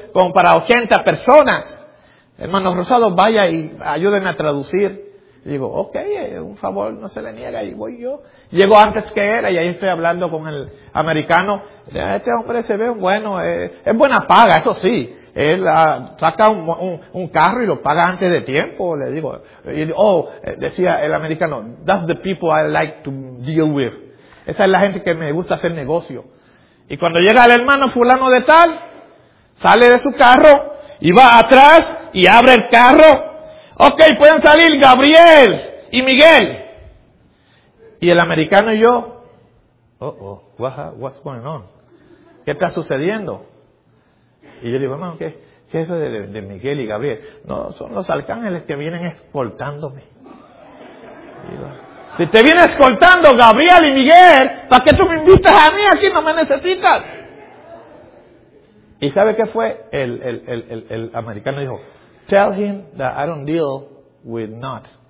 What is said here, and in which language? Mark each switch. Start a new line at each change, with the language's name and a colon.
Spanish: como para 80 personas. Hermano Rosado, vaya y ayúdeme a traducir. Y digo, ok, un favor, no se le niega, y voy yo. Llego antes que él, y ahí estoy hablando con el americano. Este hombre se ve bueno, es buena paga, eso sí. Él saca un carro y lo paga antes de tiempo, le digo. Y, oh, decía el americano,
English: that's the people I like to deal with.
Spanish: Esa es la gente que me gusta hacer negocio. Y cuando llega el hermano fulano de tal, sale de su carro y va atrás y abre el carro. Ok, pueden salir Gabriel y Miguel. Y el americano y yo,
English: what's going on?
Spanish: ¿Qué está sucediendo? Y yo digo, hermano, ¿qué es eso de Miguel y Gabriel? No, son los arcángeles que vienen escoltándome. Digo, si te viene escoltando Gabriel y Miguel, ¿para qué tú me invitas a mí? Aquí no me necesitas. ¿Y sabe qué fue? El americano dijo,
English: tell him that I don't deal with not.